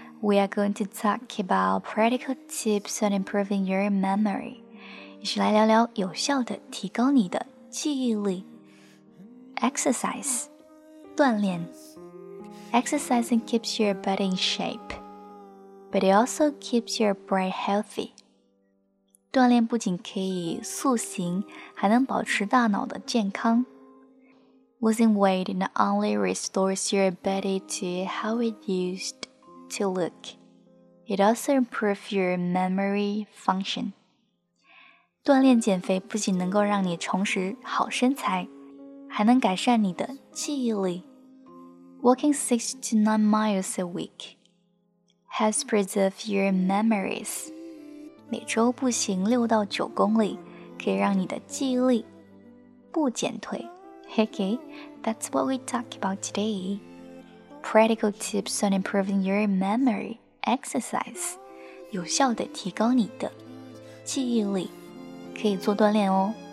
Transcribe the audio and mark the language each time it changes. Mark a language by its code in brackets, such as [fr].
[en] We are going to talk about practical tips on improving your memory. [zh] 一起来聊聊有效的提高你的记忆力。 [en] Exercise, [zh] 锻炼。 [en] Exercising keeps your body in shape, but it also keeps your brain healthy. [zh] 锻炼不仅可以塑形，还能保持大脑的健康。 [en] Losing weight not only restores your body to how it used to look, it also improves your memory function. [zh] 锻炼减肥不仅能够让你重拾好身材，还能改善你的记忆力。 [en] Walking 6 to 9 miles a week helps preserve your memories. [zh] 每周步行6到9公里可以让你的记忆力不减退。 [en] Okay, that's what we talk about today. Practical tips on improving your memory exercise. [zh] 有效地提高你的记忆力，可以做锻炼哦。